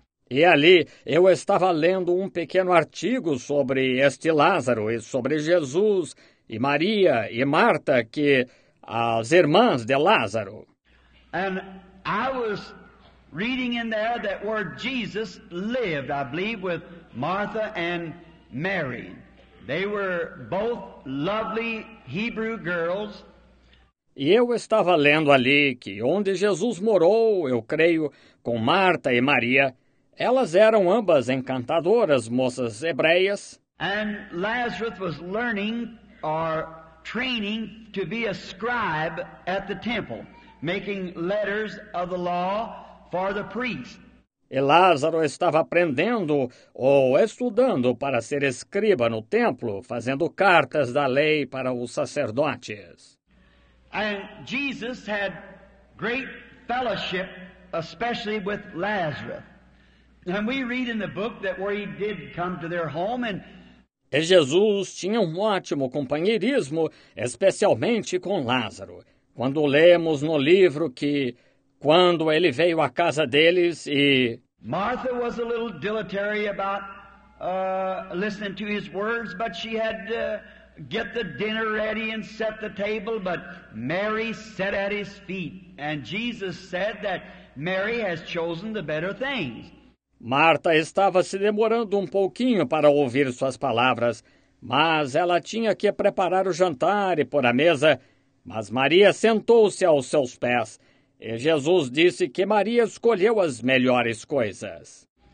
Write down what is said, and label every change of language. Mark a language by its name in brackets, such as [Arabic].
[Portuguese] E ali eu estava lendo um pequeno artigo sobre este Lázaro e sobre Jesus e Maria e Marta, que as irmãs de Lázaro. [English] And I was reading in there that where Jesus lived, I believe, with Martha and Mary. They were both lovely Hebrew girls. [Portuguese] E eu estava lendo ali que onde Jesus morou, eu creio, com Marta e Maria, elas eram ambas encantadoras moças hebreias. [English] And Lazarus was learning or training to be a scribe at the temple, making letters of the law for the priest. [Portuguese] E Lázaro estava aprendendo ou estudando para ser escriba no templo, fazendo cartas da lei para os sacerdotes. [English] And Jesus had great fellowship, especially with Lazarus. And we read in the book that where he did come to their home and... [Portuguese] E Jesus tinha um ótimo companheirismo, especialmente com Lázaro. Quando lemos no livro que, quando ele veio à casa deles e... [English] Martha was a little dilatory about listening to his words, but she had to get the dinner ready and set the table, but Mary sat at his feet. And Jesus said that Mary has chosen the better things. [Portuguese] Marta estava se demorando um pouquinho para ouvir suas palavras, mas ela tinha que preparar o jantar e pôr a mesa. Mas Maria sentou-se aos seus pés, e Jesus disse que Maria escolheu as melhores coisas.